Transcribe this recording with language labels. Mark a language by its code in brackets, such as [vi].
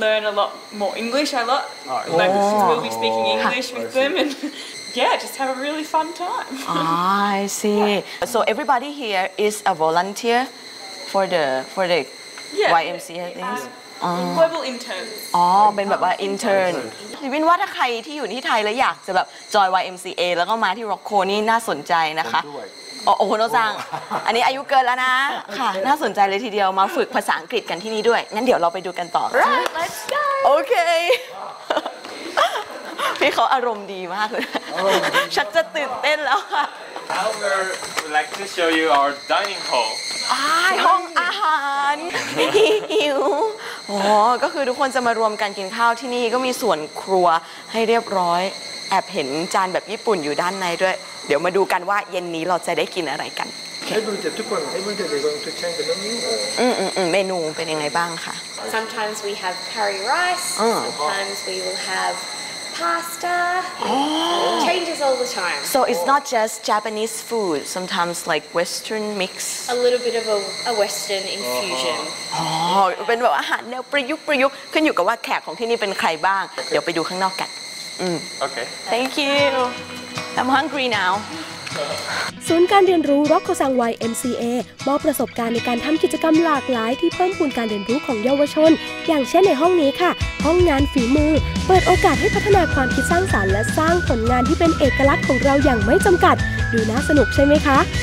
[en] Learn a lot more English. We'll be speaking English with them, and yeah, just have a really fun time. I see. Yeah. So everybody here is a volunteer for the YMCA things. Global interns. [th] Oh, เป็นแบบว่า intern. จริงๆว่าถ้าใครที่อยู่ที่ไทยแล้วอยากจะแบบ join YMCA แล้วก็มาที่ร็อกโคนี่น่าสนใจนะคะโอ้โหน้องซังอันนี้อายุเกินแล้วนะค่ะน่าสนใจเลยทีเดียวมาฝึกภาษาอังกฤษกันที่นี่ด้วยงั้นเดี๋ยวเราไปดูกันต่อ [en] Right let's go [th] โอเคพี่เขาอารมณ์ดีมากเลยชักจะตื่นเต้นแล้วค่ ะ [en] Now we would like to show you our dining hall [th] ห้องอาหารหิวโอ้ก็คือทุกคนจะมารวมกันกินข้าวที่นี่ก็มีส่วนครัวให้เรียบร้อยแอบเห็นจานแบบญี่ปุ่นอยู่ด้านในด้วยเดี๋ยวมาดูกันว่าเย็นนี้เราจะได้กินอะไรกัน ให้ดูเด็กทุกคนให้ดูเด็กเด็กต้องแช่งกัน แล้วนี่เมนูเป็นยังไงบ้างคะ [en] Sometimes we have curry rice Sometimes we will have pasta It changes all the time So it's not just Japanese food Sometimes like Western mix A little bit of a Western infusion [th] เป็นแบบอาหารแนวประยุกต์ขึ้นอยู่กับว่าแขกของที่นี่เป็นใครบ้างเดี๋ยวไปดูข้างนอกกัน [en] Okay. Thank you. I'm hungry now. [th] ศูนย์การเรียนรู้ร็อกโคซัง YMCA มอบประสบการณ์ในการทำกิจกรรมหลากหลายที่เพิ่มพูนการเรียนรู้ของเยาวชนอย่างเช่นในห้องนี้ค่ะห้องงานฝีมือเปิดโอกาสให้พัฒนาความคิดสร้างสรรค์และสร้างผลงานที่เป็นเอกลักษณ์ของเราอย่างไม่จำกัดดูน่าสนุกใช่ไหมคะ